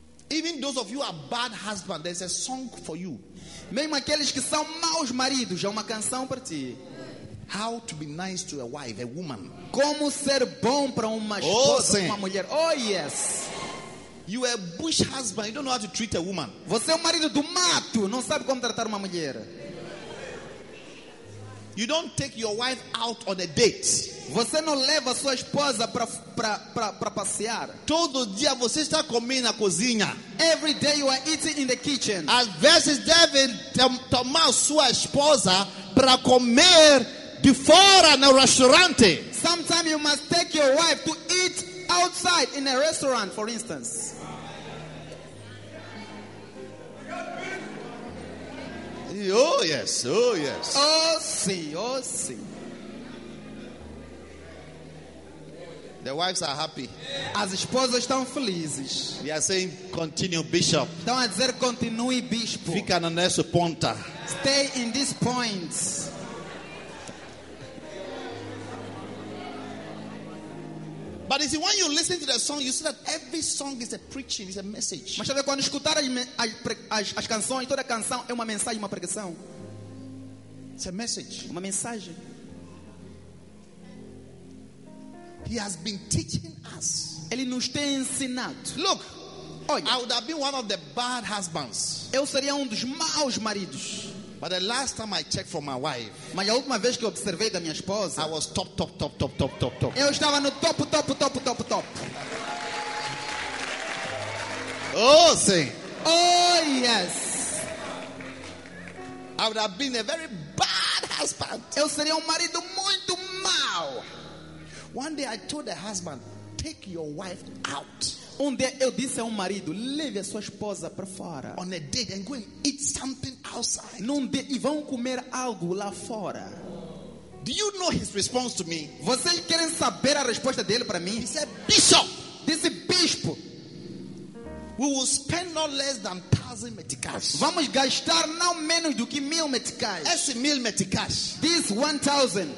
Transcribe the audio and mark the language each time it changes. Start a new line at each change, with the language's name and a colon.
English: Even those of you who are bad husbands, there's a song for you.
Portuguese: Mesmo aqueles que são maus maridos, há uma canção para ti.
English: How to be nice to a wife, a woman.
Portuguese: Como ser bom para uma esposa, uma mulher.
English: Oh, yes. You are a bush husband. You don't know how to treat a woman.
Portuguese: Você é um marido do mato. Não sabe como tratar uma mulher.
English: You don't take your wife out on a date.
Portuguese: Você não leva sua esposa para passear. Todo dia você está comendo na cozinha.
English: Every day you are eating in the kitchen.
Portuguese: As vezes deve tomar sua esposa para comer de fora no restaurante.
English: Sometimes you must take your wife to eat outside in a restaurant, for instance. Oh yes, oh yes. Oh see, oh see. The wives are happy.
Portuguese: As esposas estão felizes.
English: They are saying, continue, bishop.
Portuguese: Estão a dizer, continue, bispo. Fica na nessa ponta.
English: Stay in this point. But you see, when you listen to the song, you see that every song is a preaching, is a message.
Portuguese: Mas sabe, quando escutar as canções, toda canção é uma mensagem, uma pregação.
English: It's a message.
Portuguese: Uma mensagem.
English: He has been teaching us.
Portuguese: Ele nos tem ensinado.
English: Look,
Portuguese: olha,
English: I would have been one of the bad husbands.
Portuguese: Eu seria dos maus maridos.
English: But the last time I checked for my wife,
Portuguese: mas a última vez que eu observei da minha esposa,
English: I was top, top, top, top, top, top, top.
Portuguese: Eu estava no top, top, top, top, top. Oh, sim.
English: Oh, yes. I would have been a very bad husband.
Portuguese: Eu seria marido muito mau.
English: One day I told the husband, take your wife out.
Portuguese: Dia eu disse a marido, leve a sua esposa para fora.
English: On a date and go and eat something outside.
Portuguese: Dia e vão comer algo lá fora.
English: Do you know his response to me?
Portuguese: Vocês querem saber a resposta dele para mim?
English: He said, bishop.
Portuguese: Disse, bispo.
English: We will spend not less than 1,000 meticais.
Portuguese: Vamos gastar não menos do que 1,000 meticais. Esse 1,000 meticais.
English: This 1,000.